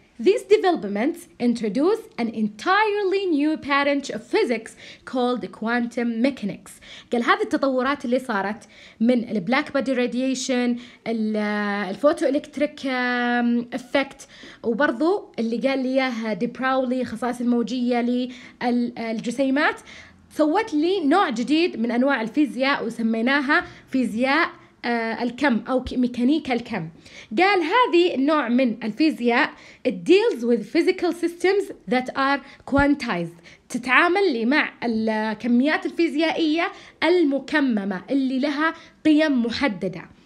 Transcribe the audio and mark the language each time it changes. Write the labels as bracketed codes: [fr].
[en] These developments introduce an entirely new pattern of physics called quantum mechanics. [ar] قال هذه التطورات اللي صارت من البلاك بادي راديشن الفوتو الكتريك افكت وبرضو اللي قال لي اياها دي براولي خصائص الموجية للجسيمات سوت لي نوع جديد من انواع الفيزياء وسميناها فيزياء الكم أو ميكانيكا الكم. قال هذه النوع من الفيزياء [en] it deals with physical systems that are quantized. [ar] تتعامل لي مع الكميات الفيزيائية المكممة اللي لها قيم محددة.